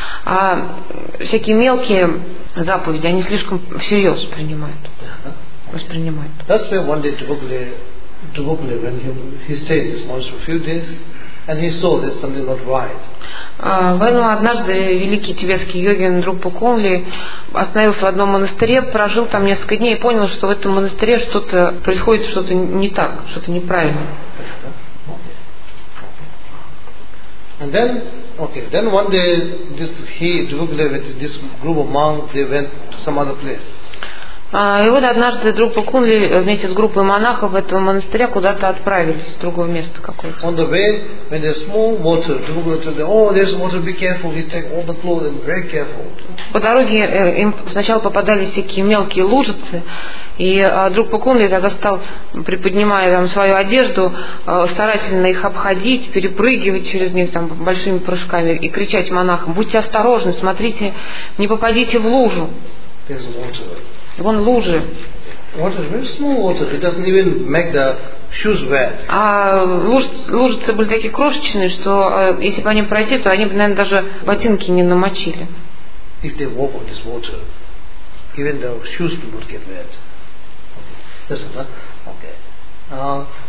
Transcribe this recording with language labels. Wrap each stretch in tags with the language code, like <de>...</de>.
<ru>А всякие мелкие заповеди они слишком всерьез принимают. Воспринимают.</ru> <en>That's why one day Dubukli, when he stayed in this monastery a few days, and he saw that something not right.</en> <ru>Вену однажды великий тибетский йогин Друпа Конли остановился в одном монастыре, прожил там несколько дней и понял, что в этом монастыре что-то происходит, что-то не так, что-то неправильно.</ru> <en>And then, then one day Dubukli with this group of monks, they went to some other place.</en> <ru>И вот однажды Друпа Конли вместе с группой монахов этого монастыря куда-то отправились, в другое место какое-то.</ru> <en>On the way, when there's small water, Druga told them, oh, there's water, be careful, you take all the clothes and very careful.</en> <ru>По дороге им сначала попадались всякие мелкие лужицы, и Друпа Конли тогда стал, приподнимая там свою одежду, старательно их обходить, перепрыгивать через них там большими прыжками и кричать монахам, будьте осторожны, смотрите, не попадите в лужу.</ru> <en>There's water.</en> <ru>Вон лужи.</ru> <en>Water, very small water. It doesn't even make the shoes wet.</en> <ru>А лужицы были такие крошечные, что если по ним пройти, то они бы, наверное, даже ботинки не намочили.</ru> <en>If they walk on this water, even the shoes would get wet. That's it, huh? Okay.</en>